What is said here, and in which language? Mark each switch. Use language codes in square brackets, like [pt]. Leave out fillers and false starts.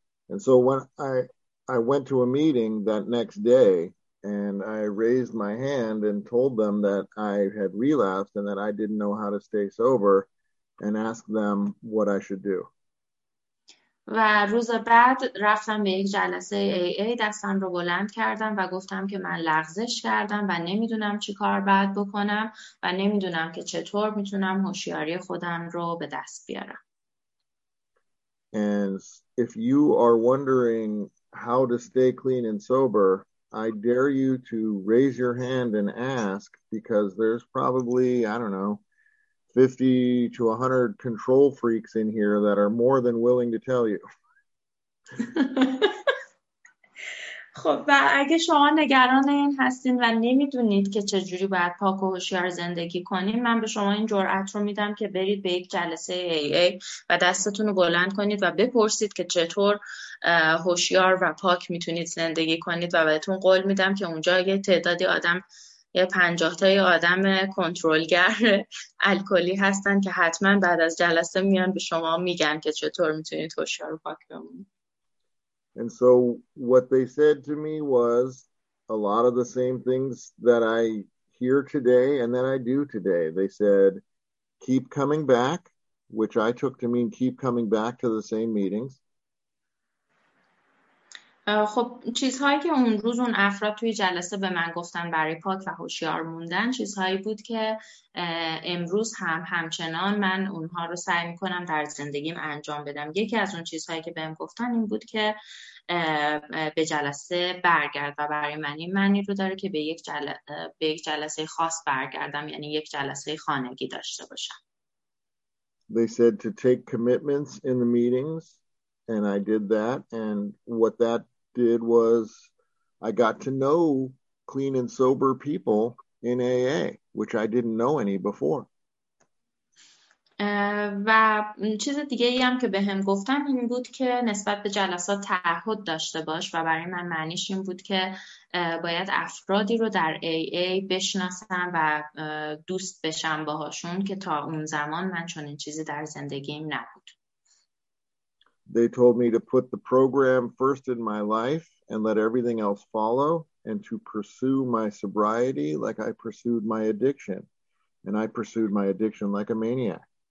[en] And so when I went to a meeting that next day and I raised my hand and told them that I had relapsed and that I didn't know how to stay sober and asked them what I should do. [fa] و روز بعد رفتم به یک جلسه AA دستم رو بلند کردم و گفتم که من لغزش کردم و نمیدونم چی کار باید بکنم و نمیدونم که چطور میتونم هوشیاری خودم رو به دست بیارم. [en] And if you are wondering how to stay clean and sober, I dare you to raise your hand and ask, because there's probably, I don't know, 50 to 100 control freaks in here that are more than willing to tell you. [fa] خب و اگه شما نگران این هستین و نمیدونید که چجوری باید پاک و هوشیار زندگی کنین، من به شما این جرأت رو میدم که برید به یک جلسه AA و دستتون رو بلند کنید و بپرسید که چطور هوشیار و پاک میتونید زندگی کنید و بهتون قول میدم که اونجا یه تعدادی آدم، یه 50 تای آدم کنترلگر الکلی هستن که حتما بعد از جلسه میان به شما میگن که چطور میتونید هوشیار و پاک بمونید. [en] And so what they said to me was a lot of the same things that I hear today and that I do today. They said, keep coming back, which I took to mean keep coming back to the same meetings. [fa] خب چیزهایی که اون روز اون افراد توی جلسه به من گفتن برای پاک و هوشیار موندن چیزهایی بود که امروز هم همچنان من اونها رو سعی میکنم در زندگیم انجام بدم. یکی از اون چیزهایی که بهم گفتن این بود که به جلسه برگرد و برای من این معنی رو داره که به یک جلسه خاص برگردم، یعنی یک جلسه خانگی داشته باشم. [en] They said to take commitments in the meetings. And I did that, and what that did was I got to know clean and sober people in AA, which I didn't know any before. [fa] و چیز دیگه ای هم که به هم گفتن این بود که نسبت به جلسات تعهد داشته باش و برای من معنیش این بود که باید افرادی رو در AA بشناسم و دوست بشم باهاشون که تا اون زمان من چنین چیزی در زندگیم نبود. [en] They told me to put the program first in my life and let everything else follow and to pursue my sobriety like I pursued my addiction. And I pursued my addiction like a maniac.